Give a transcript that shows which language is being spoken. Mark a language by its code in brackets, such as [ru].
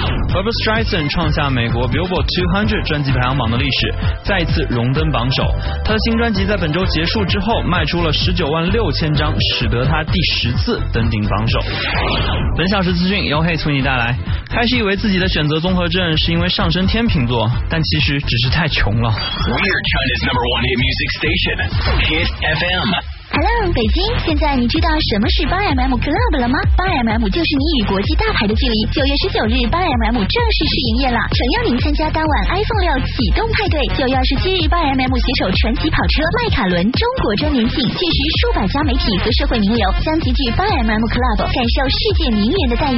[zh] Barbra Streisand 创下美国 Billboard 200专辑排行榜的历史，再次荣登榜首。他的新专辑在本周结束之后卖出了196,000张，使得他第十次登顶榜首。本小时资讯由黑崔妮带来。开始以为自己的选择综合症是因为上升天秤座，但其实只是太穷了。 [en] We're China's number one hit music station, Hit FM。 [zh] Hello， 北京，现在你知道什么是 8MM Club 了吗？ 8MM 就是你与国际大牌的距离。 9月19日 8MM 正式试营业了，诚邀您参加当晚 iPhone 6启动派对。 9月27日 8MM 携手传奇跑车麦卡伦中国周年庆，届时数百家媒体和社会名流将集聚 8MM Club， 感受世界名媛的待遇。